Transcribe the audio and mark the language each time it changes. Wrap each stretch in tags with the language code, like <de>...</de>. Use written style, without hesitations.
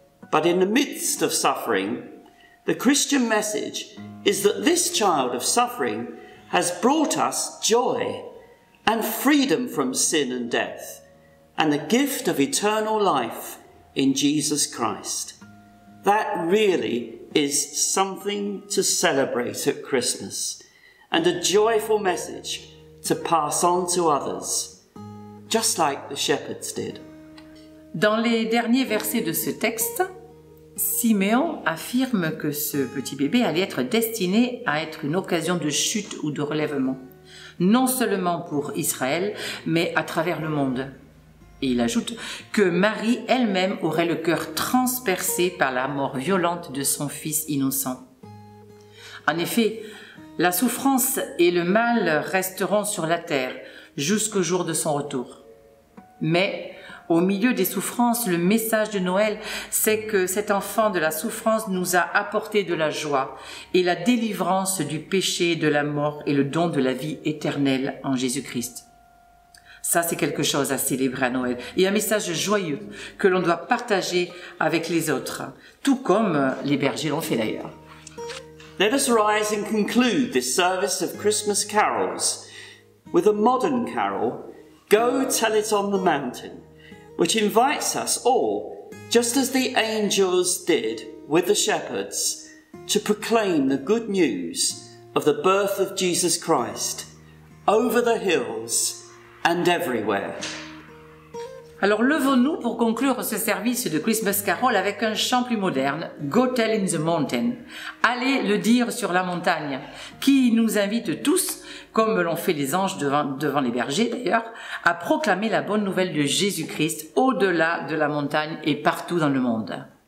<en>But in the midst of suffering, the Christian message is that this child of suffering has brought us joy and freedom from sin and death, and the gift of eternal life in Jesus Christ. That really is something to celebrate at Christmas, and a joyful message to pass on to others, just like the shepherds did.</en> <fr>Dans les derniers versets de ce texte, Siméon affirme que ce petit bébé allait être destiné à être une occasion de chute ou de relèvement, non seulement pour Israël, mais à travers le monde. Et il ajoute que Marie elle-même aurait le cœur transpercé par la mort violente de son fils innocent. En effet, la souffrance et le mal resteront sur la terre jusqu'au jour de son retour. Mais au milieu des souffrances, le message de Noël, c'est que cet enfant de la souffrance nous a apporté de la joie et la délivrance du péché, de la mort et le don de la vie éternelle en Jésus-Christ. Ça, c'est quelque chose à célébrer à Noël et un message joyeux que l'on doit partager avec les autres, tout comme les bergers l'ont fait d'ailleurs.</fr> <en>Let us rise and conclude this service of Christmas carols with a modern carol, Go Tell It on the Mountain, which invites us all, just as the angels did with the shepherds, to proclaim the good news of the birth of Jesus Christ over the hills and everywhere.</en> <fr>Alors levons-nous pour conclure ce service de Christmas Carol avec un chant plus moderne, Go Tell in the Mountain, Allez le dire sur la montagne, qui nous invite tous, comme l'ont fait les anges devant les bergers d'ailleurs, à proclamer la bonne nouvelle de Jésus-Christ au-delà de la montagne et partout dans le monde.</fr>